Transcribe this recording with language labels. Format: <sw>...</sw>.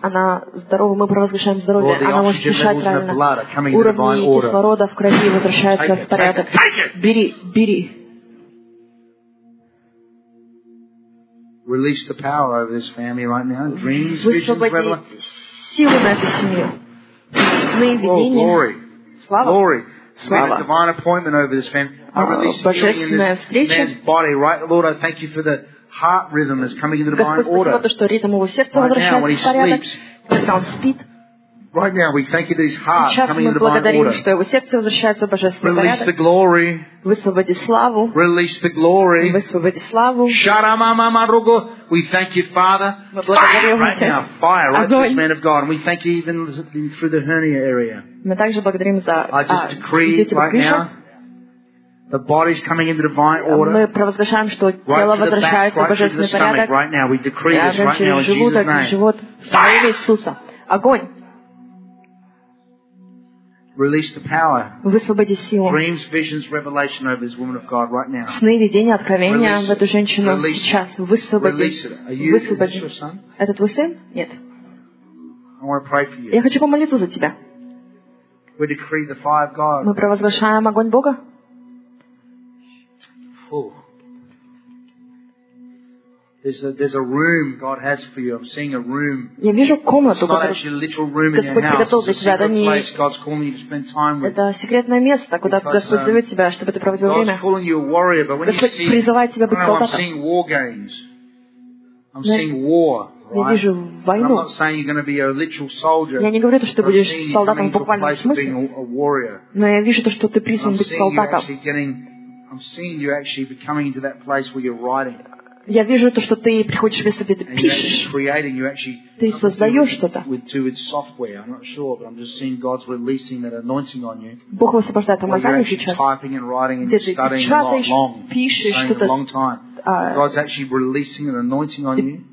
<ru>Она здорова, мы провозглашаем здоровье. Она может дышать правильно. Уровни кислорода в крови возвращаются в порядок. Бери.</ru> <en>Release the power over this family right now. Dreams, visions, revelations. Oh, glory.</en> <ru>Slava.</ru> <en>Glory. Slava. Made a divine appointment over this family. I release the healing in this</en> <ru>встреча.</ru> <en>Man's body. Right, Lord, I thank you for the heart rhythm that's coming into divine order. Right now, when he sleeps. Right now, we thank you that his heart</en> <ru>Сейчас</ru> <en>coming into divine order.</en> <ru>Что его сердце возвращается в божественный</ru> <en>Release</en> <ru>порядок.</ru> <en>The glory.</en> <ru>Высвободи славу.</ru> <en>Release the glory.</en> <ru>Высвободи славу. Шарамамамаруго.</ru> <en>We thank you, Father.</en> <ru>Мы благодарим</ru> <en>fire Right now, fire right through this man of God. And we thank you even through the hernia area.</en> <ru>Мы также благодарим за</ru> <en>I just decree right now. The body's coming into divine order.</en> <ru>Мы провозглашаем, что тело возвращается в божественный порядок.</ru> <en>Right now, we decree this right now in Jesus' name.</en> <ru>Живот,</ru> <en>fire!</en> <ru>Огонь!</ru> <en>Release the power.</en> <ru>Высвободи силу.</ru> <en>Dreams, visions, revelation over this woman of God right now.</en> <ru>Сны, видения, откровения в эту женщину сейчас. Высвободи. Высвободи. Это твой сын? Нет.</ru> <en>I want to pray for you.</en> <ru>Я хочу помолиться за тебя.</ru> <en>We decree the fire of God.</en> <ru>Мы провозглашаем огонь Бога.</ru> <en>There's a room God has for you. I'm seeing a room.</en> <ru>Я вижу комнату,</ru> <en>it's not actually a literal room in your house. It's a secret place God's calling you to spend time with.</en> <ru>Это секретное место, куда Господь зовет тебя, чтобы ты проводил время.</ru> <en>God's calling you a warrior, but when</en> <ru>Господь призывает тебя быть солдатом.</ru> <en>I'm seeing war games. I'm seeing war. Right?</en> <ru>Я вижу войну.</ru> <en>I'm not saying you're going to be a literal soldier.</en> <ru>Я не говорю то, что будешь солдатом в буквальном смысле. Но я вижу то, что ты призван быть солдатом.</ru> <en>I'm seeing you actually becoming into that place where you're writing.</en> <ru>Я вижу то, что ты приходишь в место, где ты пишешь.</ru> <en>Creating,</en> <ru>ты создаешь что-то.</ru> <en>Sure,</en> <ru>Бог высвобождает помазание сейчас. Где ты печатаешь, пишешь что-то.</ru>